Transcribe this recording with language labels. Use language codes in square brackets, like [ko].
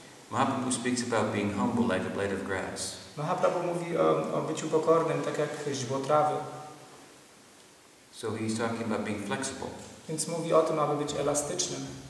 [en] Mahaprabhu speaks about being humble like a blade of grass. [pl] Mahaprabhu mówi o byciu pokornym, tak jak źdźbło trawy. [en] So he's talking about being flexible. [pl] Więc mówi o tym, aby być elastycznym.